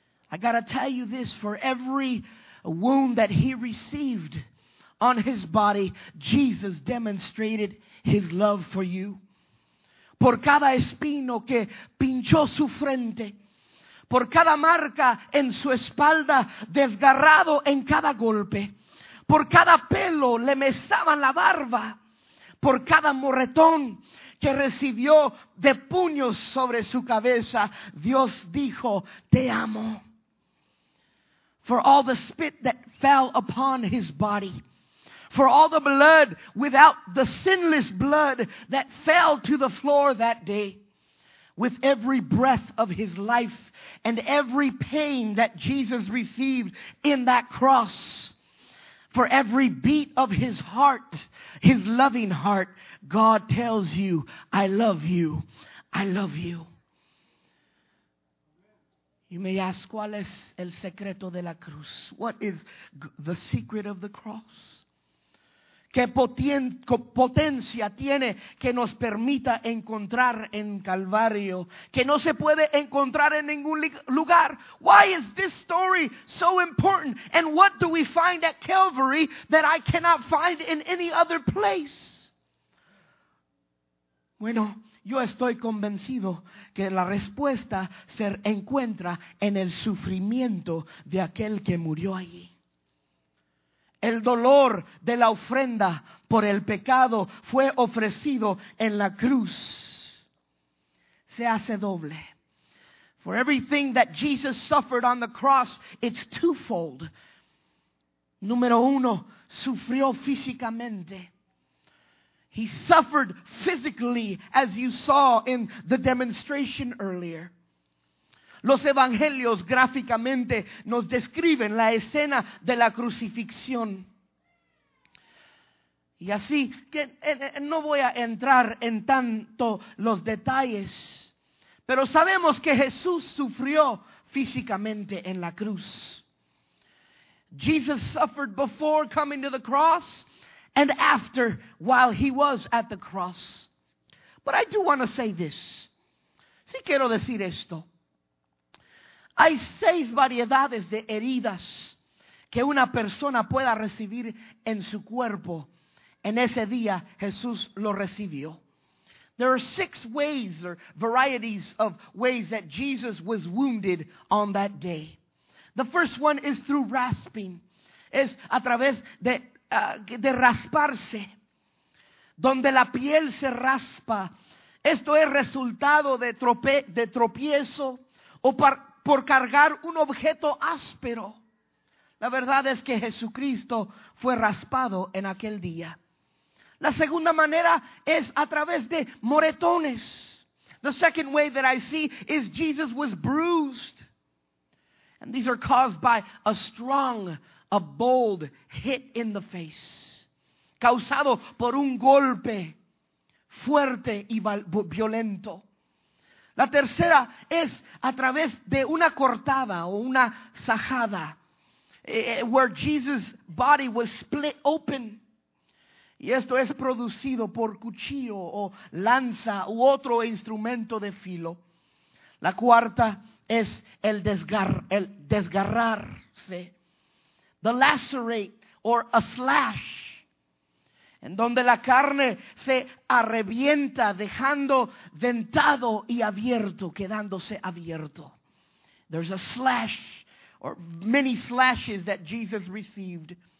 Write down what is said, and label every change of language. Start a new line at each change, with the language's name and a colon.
English: I gotta tell you this, for every wound that he received on his body, Jesus demonstrated his love for you.
Spanish: Por cada espino que pinchó su frente, por cada marca en su espalda, desgarrado en cada golpe, Por cada pelo le mesaban la barba. Por cada moretón que recibió de puños sobre su cabeza, Dios dijo, te amo.
English: For all the spit that fell upon his body, for all the blood without the sinless blood that fell to the floor that day, with every breath of his life and every pain that Jesus received in that cross, for every beat of his heart, his loving heart, God tells you, I love you, I love you. You may ask,
Spanish: ¿cuál es el secreto de la cruz?
English: What is the secret of the cross?
Spanish: ¿Qué potencia tiene que nos permita encontrar en Calvario? Que no se puede encontrar en ningún lugar.
English: Why is this story so important? And what do we find at Calvary that I cannot find in any other place?
Spanish: Bueno, yo estoy convencido que la respuesta se encuentra en el sufrimiento de aquel que murió allí. El dolor de la ofrenda por el pecado fue ofrecido en la cruz. Se hace doble.
English: For everything that Jesus suffered on the cross, it's twofold.
Spanish: Número uno, sufrió físicamente.
English: He suffered physically, as you saw in the demonstration earlier.
Spanish: Los evangelios gráficamente nos describen la escena de la crucifixión. Y así que no voy a entrar en tanto los detalles, pero sabemos que Jesús sufrió físicamente en la cruz.
English: Jesus suffered before coming to the cross and after while he was at the cross. But I do want to say this.
Spanish: Sí quiero decir esto. Hay seis variedades de heridas que una persona pueda recibir en su cuerpo. En ese día, Jesús lo recibió.
English: There are six ways or varieties of ways that Jesus was wounded on that day. The first one is through rasping.
Spanish: Es a través de rasparse. Donde la piel se raspa. Esto es resultado de tropiezo o por cargar un objeto áspero. La verdad es que Jesucristo fue raspado en aquel día. La segunda manera es a través de moretones.
English: The second way that I see is Jesus was bruised. And these are caused by a bold hit in the face.
Spanish: Causado por un golpe fuerte y violento. La tercera es a través de una cortada o una zanjada,
English: where Jesus' body was split open.
Spanish: Y esto es producido por cuchillo o lanza u otro instrumento de filo. La cuarta es el desgarrarse.
English: The lacerate or a slash.
Spanish: En donde la carne se arrebienta, dejando dentado y abierto, quedándose abierto.
English: There's a slash, or many slashes that Jesus received.